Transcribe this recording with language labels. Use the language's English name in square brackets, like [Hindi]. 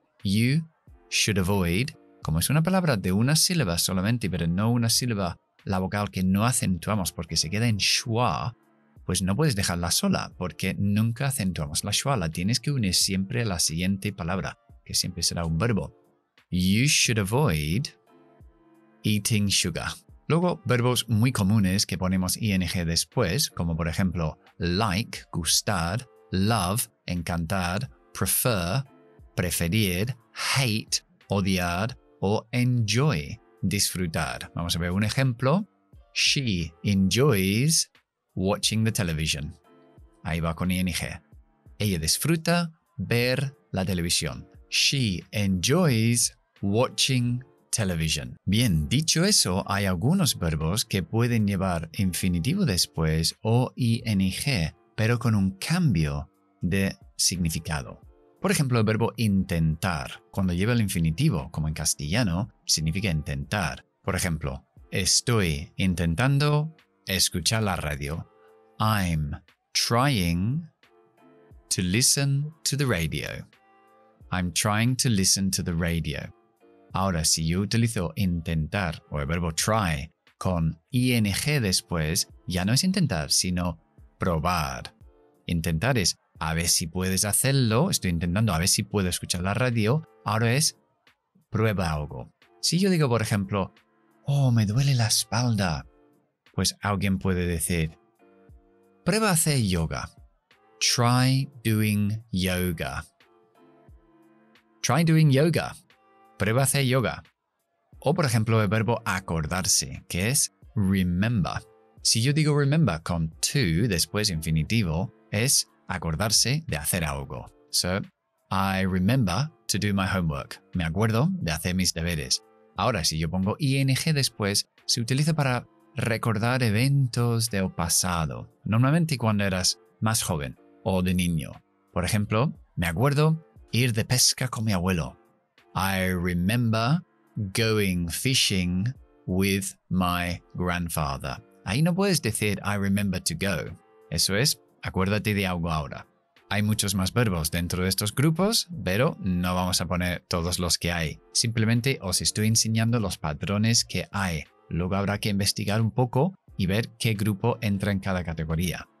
[English] You should avoid. [Spanish] Como es una palabra de una sílaba solamente, pero no una sílaba, la vocal que no acentuamos porque se queda en schwa, pues no puedes dejarla sola porque nunca acentuamos la schwa. La tienes que unir siempre a la siguiente palabra, que siempre será un verbo. [English] You should avoid eating sugar. [Spanish] Luego, verbos muy comunes que ponemos ing después, como por ejemplo, like, gustar, love, encantar, prefer, preferir, hate, odiar, o enjoy, disfrutar. Vamos a ver un ejemplo. [English] She enjoys watching the television. [Spanish] Ahí va con ing. Ella disfruta ver la televisión. [English] She enjoys watching television. [Spanish] Bien, dicho eso, hay algunos verbos que pueden llevar infinitivo después o ing, pero con un cambio de significado. Por ejemplo, el verbo intentar, cuando lleva el infinitivo, como en castellano, significa intentar. Por ejemplo, estoy intentando escuchar la radio. [English] I'm trying to listen to the radio. I'm trying to listen to the radio. [Spanish] Ahora, si yo utilizo intentar o el verbo try con ing después, ya no es intentar, sino probar. Intentar es a ver si puedes hacerlo, estoy intentando a ver si puedo escuchar la radio, ahora es prueba algo. Si yo digo, por ejemplo, oh, me duele la espalda, pues alguien puede decir, prueba hacer yoga. [English] Try doing yoga. Try doing yoga. [Spanish] Prueba hacer yoga. O, por ejemplo, el verbo acordarse, que es remember. Si yo digo remember con to, después infinitivo, es acordarse de hacer algo. [English] So, I remember to do my homework. [Spanish] Me acuerdo de hacer mis deberes. Ahora, si yo pongo ing después, se utiliza para recordar eventos del pasado. Normalmente cuando eras más joven o de niño. Por ejemplo, me acuerdo ir de pesca con mi abuelo. [English] I remember going fishing with my grandfather. [Spanish] Ahí no puedes decir [English] I remember to go. [Spanish] Eso es, acuérdate de algo ahora. Hay muchos más verbos dentro de estos grupos, pero no vamos a poner todos los que hay. Simplemente os estoy enseñando los patrones que hay. Luego habrá que investigar un poco y ver qué grupo entra en cada categoría.